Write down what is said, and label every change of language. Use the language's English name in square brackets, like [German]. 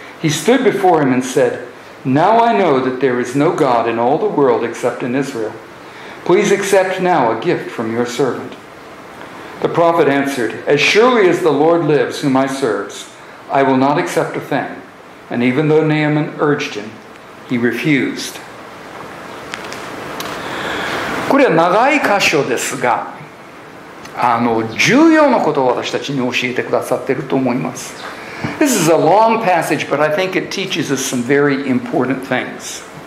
[English] He stood before him and said, "Now I know that there is no God in all the world except in Israel. Please accept now a gift from your servant." The prophet answered, "As surely as the Lord lives whom I serve, I will not accept a thing." And even though Naaman urged him, he refused. [Japanese] これは長い箇所ですが、重要なことを私たちに教えてくださっていると思います。 [English] This is a long passage, but I think it teaches us some very important things.